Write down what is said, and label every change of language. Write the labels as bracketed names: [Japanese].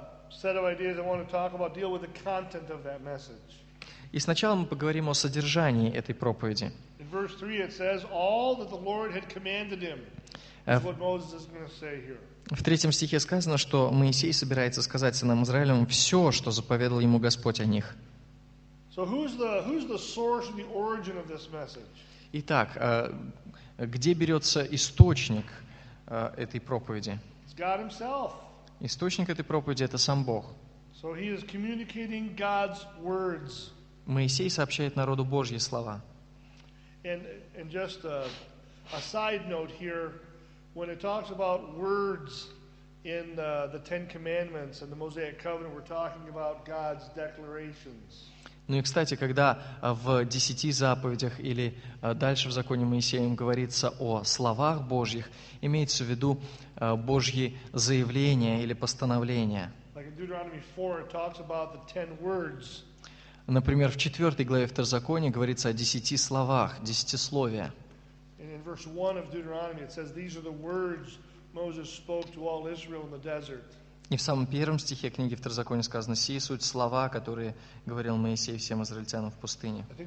[English] Set of ideas I want to talk about deal with the content of that message. [Russian] И сначала мы поговорим о содержании этой проповеди. [English] In verse 3 it says all that the Lord had commanded him. That's what Moses is going to say here. [Russian] В третьем стихе сказано, что Моисей собирается сказать сынам Израилевым все, что заповедал ему Господь о них. [English] So who's the source and the origin of this message? [Russian] Итак, где берется источник этой проповеди? [English] It's God himself. [Russian] Источник этой проповеди — это сам Бог. [English] So he is communicating God's words. [Russian] Моисей сообщает народу Божьи слова. [English] And just a side note here, when it talks about words in the Ten Commandments and the Mosaic Covenant, we're talking about God's declarations. [Russian] Ну и, кстати, когда в 10 заповедях или дальше в Законе Моисеем говорится о словах Божьих, имеется в виду Божьи заявления или постановления. [English] Like in Deuteronomy 4, it talks about the 10 words. [Russian] Например, в 4 главе Второзакония говорится о 10 словах, 10 слове. [English] And in verse 1 of Deuteronomy, it says, these are the words Moses spoke to all Israel in the desert. [Russian] И в самом первом стихе книги Второзакония сказано, сии суть слова, которые говорил Моисей всем израильтянам в пустыне.